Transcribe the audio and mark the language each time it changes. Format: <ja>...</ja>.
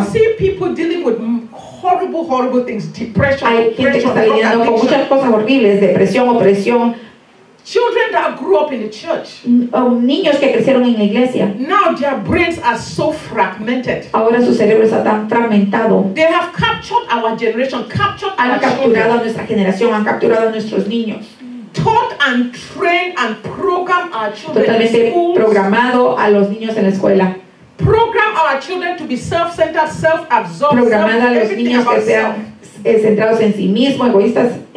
<en>You see people dealing with horrible, horrible things. Depression.</en> <es>Hay gente que está lidiando con muchas cosas horribles, depresión, opresión.</es> <en>Children that grew up in the church.</en> <es>Niños que crecieron en la iglesia.</es> <en>Now their brains are so fragmented.</en> <es>Ahora su cerebro está tan fragmentado.</es> <en>They have captured our generation. Captured.</en> <es>Han capturado a nuestra generación. Han capturado a nuestros niños.</es> <en>Taught and trained and programmed our children.</en> <es>Totalmente programado a los niños en la escuela.</es> <en>Program our children to be self-centered, self-absorbed.</en> <es>Programar a los niños que sean centrados en sí mismos, egoístas.</es>